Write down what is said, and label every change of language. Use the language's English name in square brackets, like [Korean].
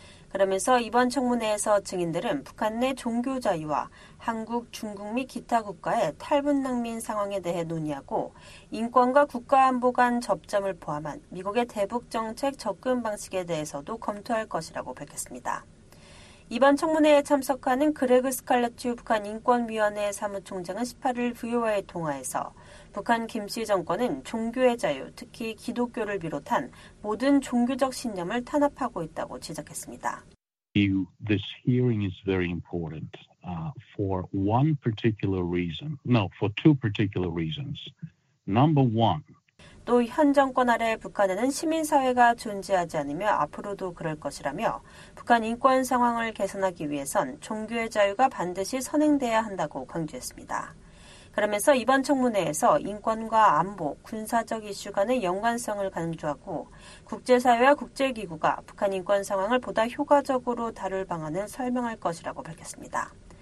[Korean] 그러면서 이번 청문회에서 증인들은 북한 내 종교 자유와 한국, 중국 및 기타 국가의 탈북 난민 상황에 대해 논의하고 인권과 국가안보 간 접점을 포함한 미국의 대북 정책 접근 방식에 대해서도 검토할 것이라고 밝혔습니다. 이번 청문회에 참석하는 그레그 스칼레츠 북한인권위원회 사무총장은 18일 VOA 통화에서 북한 김씨 정권은 종교의 자유, 특히 기독교를 비롯한 모든 종교적 신념을 탄압하고 있다고 지적했습니다. [English] This hearing is very important for one particular reason. No, for two particular reasons. Number one. [Korean] 또 현 정권 아래 북한에는 시민사회가 존재하지 않으며 앞으로도 그럴 것이라며 북한 인권 상황을 개선하기 위해선 종교의 자유가 반드시 선행돼야 한다고 강조했습니다. 그러면서 이번 청문회에서 인권과 안보, 군사적 이슈 간의 연관성을 강조하고 국제사회와 국제기구가 북한 인권 상황을 보다 효과적으로 다룰 방안을 설명할 것이라고 밝혔습니다.